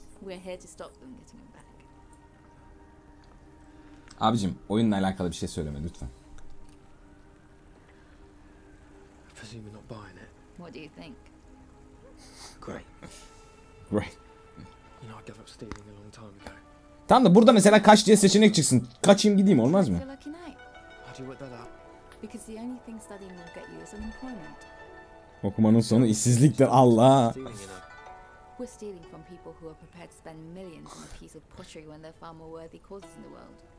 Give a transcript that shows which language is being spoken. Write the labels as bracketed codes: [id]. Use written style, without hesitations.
[en] We're here to stop them getting it back. [tr] Abicim, oyunla alakalı bir şey söyleme lütfen. [en] You're not buying it. What do you think? Great. Right. You know I gave up stealing a long time ago. [tr] Tamam da burada mesela kaç diye seçenek çıksın. Kaçayım gideyim olmaz mı? [en] How do you work that out? Because the only thing studying will get you is unemployment. [tr] Okumanın sonu işsizliktir. Allah. [en] We're stealing from people who are prepared to spend millions on a piece of pottery when there are far more worthy causes in the world.